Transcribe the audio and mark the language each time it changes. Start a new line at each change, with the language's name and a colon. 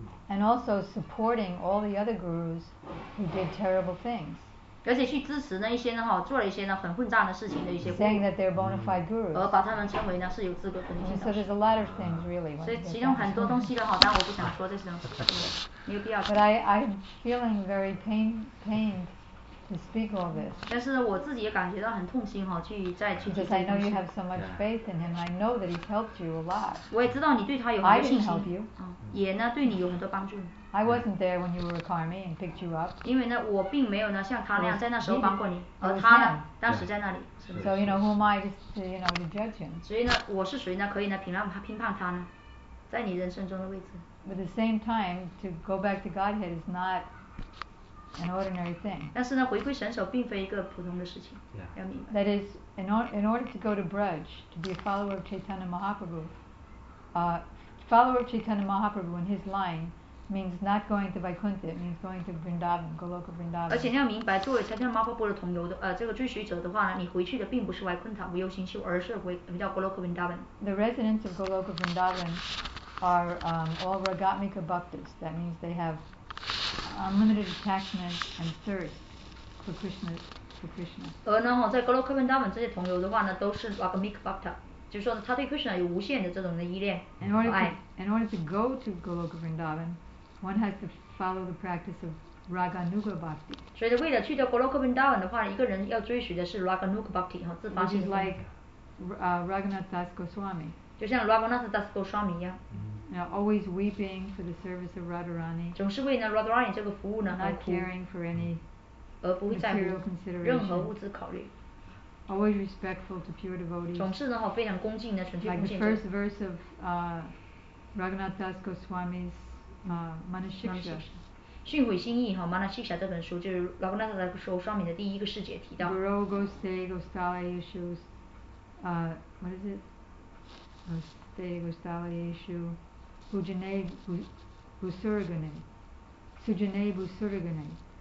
English: And also supporting all the other gurus who did terrible things.
Chinese: 而且去支持那一些呢，哈，做了一些呢很混账的事情的一些。
English: Saying that they're bona fide gurus.
Chinese: 而把他们称为呢是有资格的。
English: So there's a lot of things really.
Chinese: 所以其中很多东西的哈，但我不想说这些东西，没有必要。
English: But I'm feeling very pained to speak all this.
Chinese: 但是我自己也感觉到很痛心哈，去再去这些东西。
English: Because I know you have so much faith in him. I know that he's helped you a lot.
Chinese: 我也知道你对他有很多信心。
English: I can help you.
Chinese: 也呢对你有很多帮助。
English: I wasn't there when you were Carmi and picked you up.
Chinese: 因为呢我并没有呢像他那样在那时候帮过你，而他呢当时在那里。
English: So you know who am I to you know to judge him?
Chinese: 所以呢我是谁呢可以呢评判他呢，在你人生中的位置。
English: But at the same time, to go back to Godhead is not an ordinary thing.
Chinese: 但是呢回归神首并非一个普通的事情。要明白。
English: That is in order to go to Braj to be a follower of Chaitanya Mahaprabhu, follower of Chaitanya Mahaprabhu in his line means not going to Vaikuntha, it means going to Vrindavan, Goloka Vrindavan.
Chinese: 而且你要明白，作为 Chaitanya Mahaprabhu 的同游的这个追随者的话呢，你回去的并不是 Vaikuntha 无忧星宿，而是回叫 Goloka Vrindavan.
English: The residents of Goloka Vrindavan are all Ragatmika Bhaktas. That means they have unlimited attachment and thirst for Krishna. For Krishna.
Chinese: 而呢，在 Goloka Vrindavan 这些同游的话呢，都是 Ragatmika Bhakta. 就是说呢，他对 Krishna 有无限的这种的依恋。
English: In order to go to Goloka Vrindavan, one has to follow the practice of Raganuga Bhakti.
Chinese: 所以为了去到 Goloka Vrindavan 的话，一个人要追随的是 Raganuga Bhakti 哈，自发性的。
English: Which is like Raghunath Das Goswami.
Chinese: 就像 Raghunath Das Goswami 一样。
English: Now always weeping for the service of Radharani.
Chinese: 总是为呢 Radharani 这个服务呢
English: Not caring for any material consideration.
Chinese: 而不会在乎任何物质考虑。
English: Always respectful to pure devotees.
Chinese: 总是呢哈非常恭敬的纯粹奉献者。
English: Like the first verse of Raghunath Das Goswami's Manashiksha.
Chinese: 训诲心意哈 Manashiksha 这本书就是 Raghunath Das Goswami 的第一个世界提到。
Sanskrit: Guru Goste Gostala Yeshu,
English: what is it?
Sanskrit: Goste Gostala Yeshu, Sujane Busuragane.